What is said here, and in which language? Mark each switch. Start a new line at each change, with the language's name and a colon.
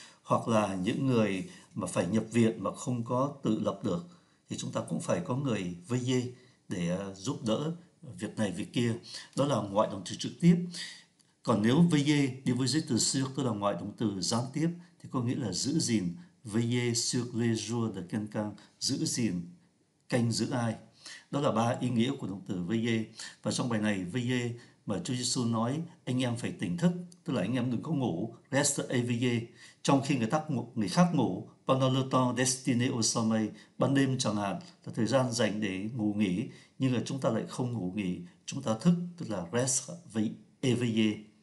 Vietnamese: Hoặc là những người mà phải nhập viện mà không có tự lập được thì chúng ta cũng phải có người veillé để giúp đỡ việc này việc kia. Đó là ngoại động từ trực tiếp. Còn nếu veillé đi với giới từ sur, tức là ngoại động từ gián tiếp, thì có nghĩa là giữ gìn.
French: Veiller sur les jours de quelqu'un,
Vietnamese: giữ gìn, canh giữ ai. Đó là ba ý nghĩa của động từ veiller. Và trong bài này, veiller mà Chúa Giêsu nói anh em phải tỉnh thức, tức là anh em đừng có ngủ,
French: rest éveillé,
Vietnamese: trong khi người khác ngủ,
French: pendant le temps destiné au sommeil,
Vietnamese: ban đêm chẳng hạn là thời gian dành để ngủ nghỉ, nhưng mà chúng ta lại không ngủ nghỉ, chúng ta thức, tức là rest éveillé.